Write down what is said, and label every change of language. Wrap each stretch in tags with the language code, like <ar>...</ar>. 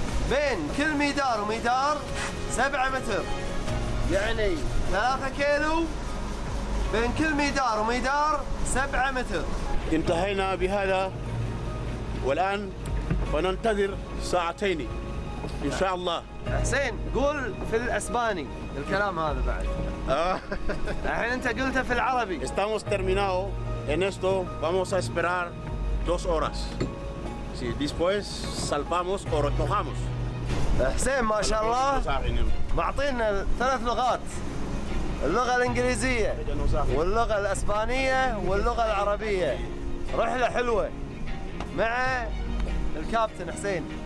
<ar>بين كل ميدار وميدار 7 متر. يعني 3 كيلو بين كل ميدار وميدار 7 متر. انتهينا بهذا والان فننتظر ساعتين ان شاء الله. حسين قول في الاسباني الكلام هذا بعد. الحين انت قلته في العربي.</ar> <es>Estamos terminado en esto, vamos a esperar 2 horas. Si después salvamos o recojamos.</es> <ar>حسين ما شاء الله معطينا 3 لغات. اللغة الإنجليزية واللغة الإسبانية واللغة العربية. رحلة حلوة مع الكابتن حسين.</ar>